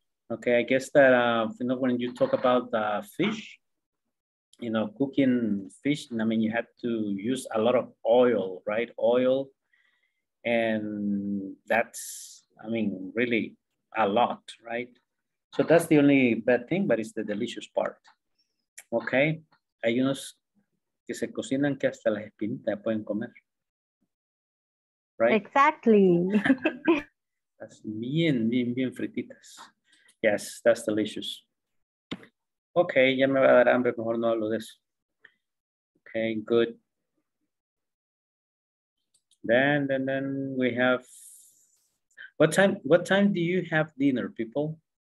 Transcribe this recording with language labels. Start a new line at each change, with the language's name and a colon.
English: Okay, I guess that you know, when you talk about fish, you know, cooking fish, I mean, you have to use a lot of oil, right? Oil, and that's, I mean, really a lot, right? So that's the only bad thing, but it's the delicious part. Okay.
Spanish: Hay unos que se cocinan que hasta las espinitas pueden comer.
English: Right? Exactly. That's
Spanish: bien, bien, bien frititas.
English: Yes, that's delicious.
Spanish: Okay, ya me va a dar hambre, mejor no hablo de eso.
English: Okay, good. Then we have, what time do you have dinner, people?